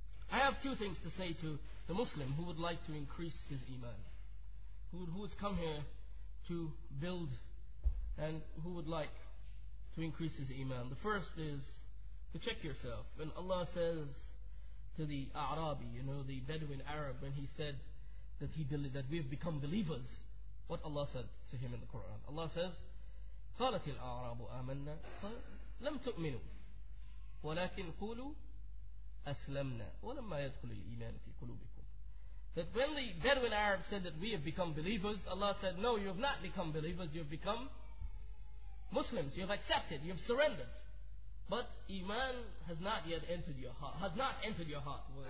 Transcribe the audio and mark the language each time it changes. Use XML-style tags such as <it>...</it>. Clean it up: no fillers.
<en>I have two things to say to the Muslim who would like to increase his iman, who has come here to build and who would like to increase his iman. The first is to check yourself. When Allah says, to the A'rabi, you know, the Bedouin Arab, when he said that that we have become believers, what Allah said to him in the Quran. Allah says,</en> <ar>قَالَتِ الْأَعْرَابُ آمَنَّا لَمْ تُؤْمِنُوا وَلَكِنْ قُولُوا أَسْلَمْنَا وَلَمَّا يَدْخُلِ الْإِيمَانِ فِي قُلُوبِكُمْ.</ar> <en>That when the Bedouin Arab said that we have become believers, Allah said, no, you have not become believers, you have become Muslims, you have accepted, you have surrendered. But iman has not yet entered your heart. Has not entered your heart.</en>